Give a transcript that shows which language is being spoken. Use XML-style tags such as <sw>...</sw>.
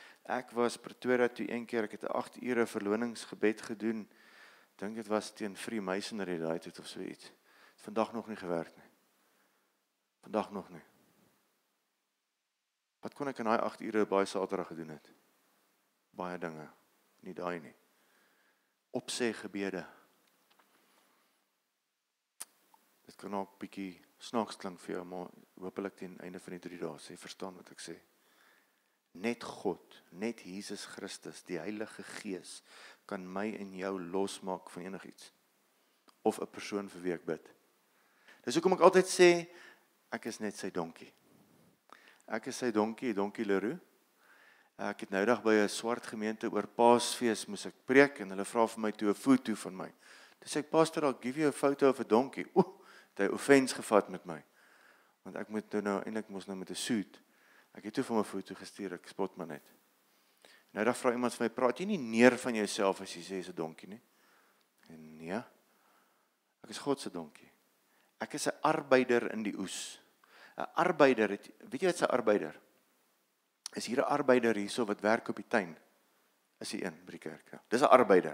<af>Ek was Pretoria toe een keer, ek het 8 ure verloningsgebed gedoen. Ek dink het was teen Freemasonry dat het of so iets. Het vandag nog nie gewerk nie. Vandag nog nie. Wat kon ek in die 8 ure baie saterdag gedoen het? Baie dinge, nie daai nie. Opsê gebede. Dit kan ook bietjie snaaks klink vir jou, maar hopelik teen einde van die 3 dae sê, verstaan wat ek sê. Net God, net Jesus Christus, die Heilige Gees, kan my en jou losmaak van enig iets. Of 'n persoon vir wie ek bid. Dis hoekom ek altyd sê, ek is net sy donkie. Ek is sy donkie, donkie Leroux. Ek het noudag by 'n swart gemeente oor paasfees moes ek preek en hulle vra vir my toe 'n foto van my. Toe sê ek,</af> <en>pastor, I'll give you a photo of a donkey.</en> <af>Oeh, het hy offense gevat met my. Want ek moet nou eindelijk moes nou met 'n suit. Ek het toe vir my foto gestuur, ek spot my net. Noudag vra iemand vir my, praat jy nie neer van jouself as jy sê jy's 'n donkie nie? En nee, ek is God se donkie. Ek is 'n arbeider in die oes. 'N arbeider, weet jy wat 'n arbeider? Is hier 'n arbeider hierso wat werk op die tuin? Is hy een by die kerk? Ja. Dis 'n arbeider.</af>